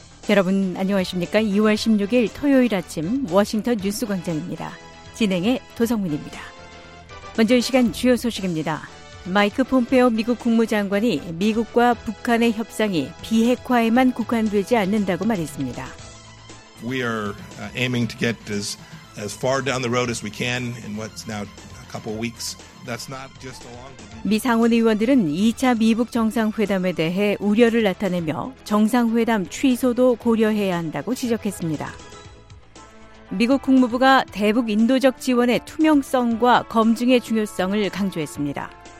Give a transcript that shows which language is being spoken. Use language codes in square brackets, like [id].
[ko] 여러분 안녕하십니까? 2월 16일 토요일 아침 워싱턴 뉴스 광장입니다. 진행의 도성민입니다. 먼저 이 시간 주요 소식입니다. 마이크 폼페오 미국 국무장관이 미국과 북한의 협상이 비핵화에만 국한되지 않는다고 말했습니다. [en] We are aiming to get this as far down the road as we can in what's now a couple weeks. That's not just a long. [ko] 미 상원 의원들은 2차 미북 정상회담에 대해 우려를 나타내며 정상회담 취소도 고려해야 한다고 지적했습니다. 미국 국무부가 대북 인도적 지원의 투명성과 검증의 중요성을 강조했습니다.